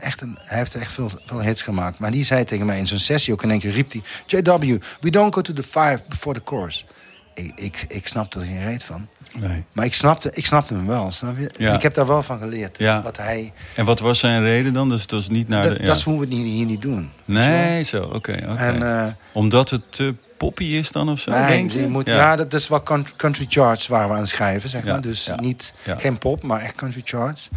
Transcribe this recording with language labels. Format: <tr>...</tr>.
<nl>Hij heeft echt veel hits gemaakt. Maar die zei tegen mij in zo'n sessie ook in één keer... riep hij,</nl> <en>JW, we don't go to the 5 before the chorus.</en> <nl>Ik snapte er geen reet van. Nee. Maar ik snapte hem wel, snap je? Ja. Ik heb daar wel van geleerd. Ja. Wat hij... En wat was zijn reden dan? Dus dat is niet naar dat is hoe we het hier niet doen. Nee, zo, oké. Omdat het te poppy is dan of zo? Dat is wel country charts waar we aan schrijven, zeg maar. Dus geen pop, maar echt country charts.</nl>